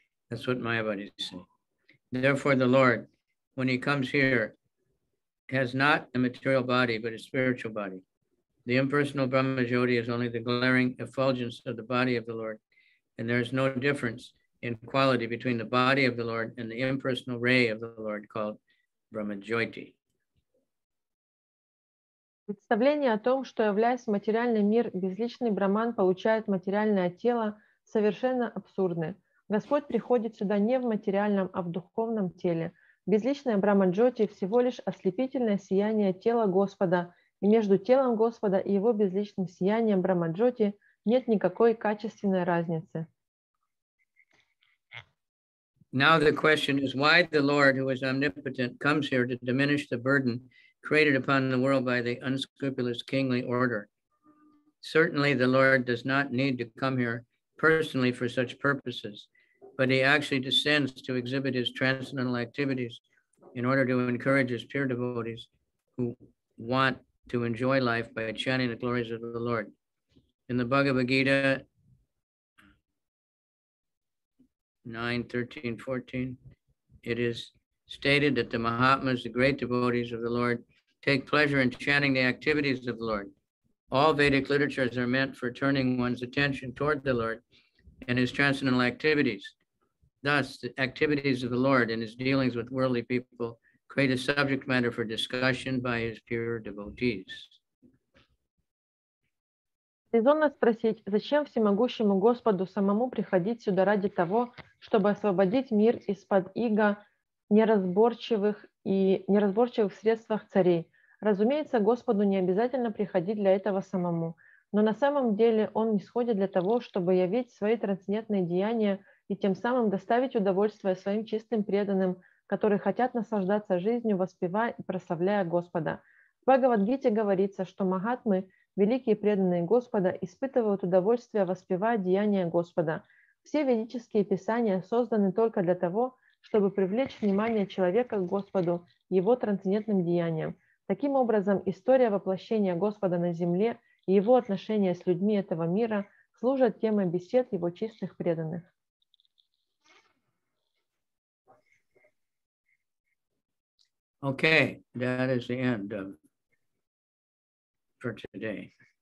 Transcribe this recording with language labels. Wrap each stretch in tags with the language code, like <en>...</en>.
<en>That's what Mayavadis say. Therefore, the Lord, when he comes here, has not a material body, but a spiritual body. The impersonal Brahma Jyoti is only the glaring effulgence of the body of the Lord, and there is no difference in quality between the body of the Lord and the impersonal ray of the Lord called Brahma Jyoti.</en> <ru>Представление о том, что, являясь в материальный мир, безличный Браман получает материальное тело, совершенно абсурдны. Господь приходит сюда не в материальном, а в духовном теле. Безличная Брахма-джоти всего лишь ослепительное сияние тела Господа, и между телом Господа и его безличным сиянием Брахма-джоти нет никакой качественной разницы.</ru> <en>Now the question is why the Lord, who is omnipotent, comes here to diminish the burden created upon the world by the unscrupulous kingly order. Certainly the Lord does not need to come here personally for such purposes, but he actually descends to exhibit his transcendental activities in order to encourage his pure devotees who want to enjoy life by chanting the glories of the Lord. In the Bhagavad Gita 9.13.14, it is stated that the Mahatmas, the great devotees of the Lord, take pleasure in chanting the activities of the Lord. All Vedic literatures are meant for turning one's attention toward the Lord and his transcendental activities. Thus, the activities of the Lord and his dealings with worldly people create a subject matter for discussion by his pure devotees.</en> <ru>Резонно спросить, зачем всемогущему Господу самому приходить сюда ради того, чтобы освободить мир из-под иго неразборчивых и неразборчивых средствах царей? Разумеется, Господу не обязательно приходить для этого самому, но на самом деле Он нисходит для того, чтобы явить свои трансцендентные деяния и тем самым доставить удовольствие своим чистым преданным, которые хотят наслаждаться жизнью, воспевая и прославляя Господа. В Бхагавад-гите говорится, что Махатмы, великие преданные Господа, испытывают удовольствие, воспевая деяния Господа. Все ведические писания созданы только для того, чтобы привлечь внимание человека к Господу, его трансцендентным деяниям. Таким образом, история воплощения Господа на земле и его отношения с людьми этого мира служат темой бесед его чистых преданных.</ru> <en>Okay, that is the end for today.</en>